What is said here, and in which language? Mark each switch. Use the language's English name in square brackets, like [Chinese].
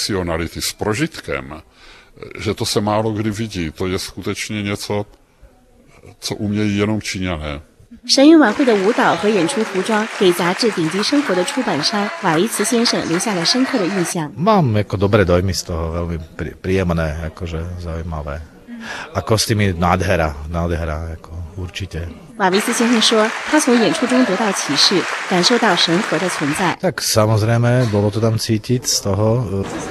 [Czech] Já jsem poprvé viděl čínské taneční umění na jevišti. To veliký zážitek a svátek to pro mě byl. No, velký dojem z čínského umění. Ty tanečnice a tanečníci, to je taková, bych řekl, nádherná směs ukázněnosti a profesionality s prožitkem. Že to se málo kdy vidí, to je skutečně něco, co umějí jenom Číňané. [Chinese] 神韵晚会的舞蹈和演出服装给杂志《顶级生活》的出版商瓦伊茨先生留下了深刻的印象。 [Czech] Mám jako dobré dojmy z toho, velmi příjemné, jakože zajímavé. A kostýmy nádhera, nádhera, jako určitě. [Chinese] 瓦伊茨先生说，他从演出中得到启示，感受到神佛的存在。 [Czech] Tak samozřejmě bylo to tam cítit z toho.